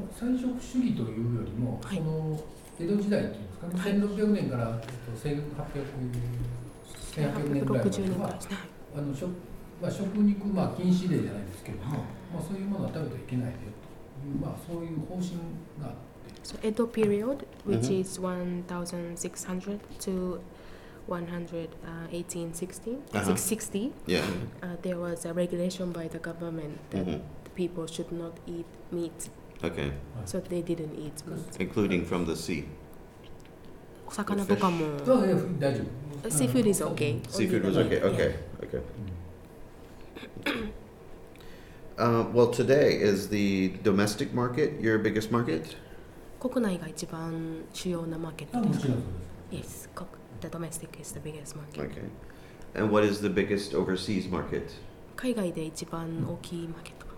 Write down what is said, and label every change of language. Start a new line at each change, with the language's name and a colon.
Japanese: 菜食主義というよりも、はい、その江戸時代というんですかね、はい、1600年から1860 年ぐらいまでは、まあ、食肉、まあ、禁止令じゃないですけれども、まあ、そういうものは食べてはいけないよという、まあ、そういう方針があって。
English: So, Edo period, which is 1600 to 1860, there was a regulation by the government that the people should not eat meat. Okay. So they didn't eat meat. Including from the sea.
Japanese: お魚とかも。大丈夫。
English: Seafood is okay. Seafood was okay. Okay. Okay. well, today is the domestic market your biggest market?
Japanese: 国内が一番主要なマーケットですか?
English: Yes, the domestic is the biggest market. Okay. And what is the biggest overseas market?
Japanese: 海外で一番大きいマーケット。